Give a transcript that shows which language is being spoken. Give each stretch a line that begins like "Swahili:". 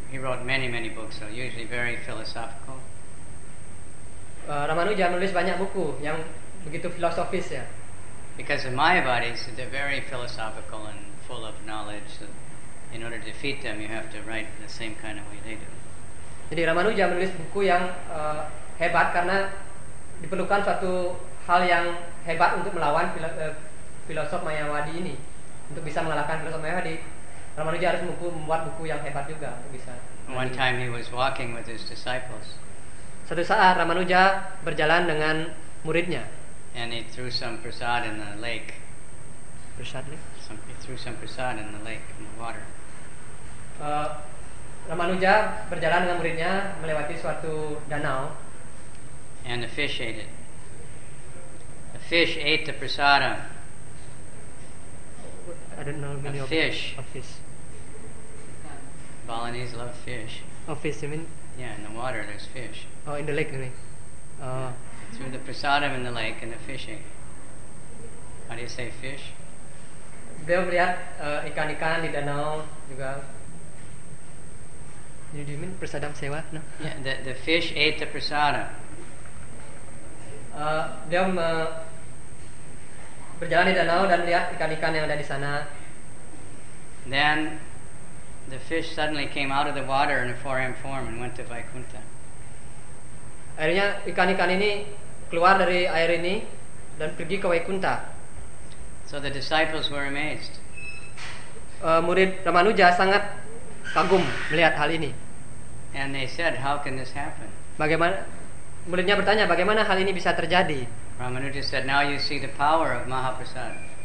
English: He wrote many many books, so usually very philosophical.
Indonesian: Ramanuja menulis banyak buku yang begitu filosofis ya.
English: Because the Mayavadis, they're very philosophical and full of knowledge. So in order to defeat them, you have to write the same kind of way they do.
Indonesian: Jadi Ramanuja menulis buku yang hebat karena diperlukan suatu hal yang hebat untuk melawan filosof Mayavadi ini. Untuk bisa mengalahkan filosof Mayavadi, Ramanuja harus membuat buku yang hebat juga untuk bisa.
English: One time he was walking with his disciples.
Indonesian: Satu saat Ramanuja berjalan dengan muridnya.
English: And he threw some prasad in the lake. Prasad lake? He threw some prasad in the lake, in the water.
Indonesian: Ramanuja berjalan dengan muridnya melewati suatu danau.
English: And the fish ate it. The fish ate the prasadam. I don't know many of fish. A fish. Balinese love fish. A fish, you mean? Yeah, in the water there's fish. Oh, in the lake, really? Threw the prasadam in the lake and the fish ate. How do you say fish?
Indonesian: Beliau melihat ikan-ikan di danau juga.
English: Do you mean prasadam sewa? No. Yeah, the fish ate the prasadam.
Indonesian: Beliau berjalan di danau dan lihat ikan-ikan yang ada di sana.
English: Then the fish suddenly came out of the water in a four-armed form and went to Vaikuntha.
Indonesian: Akhirnya ikan-ikan ini keluar dari air ini dan pergi ke Vaikuntha.
English: So the disciples were amazed.
Indonesian: Murid Ramanuja sangat kagum melihat hal ini.
English: And they said, how can this happen?
Indonesian: Bagaimana? Muridnya bertanya, bagaimana hal ini bisa terjadi?
English: Ramanuja said, now you see the power of Mahaprasad.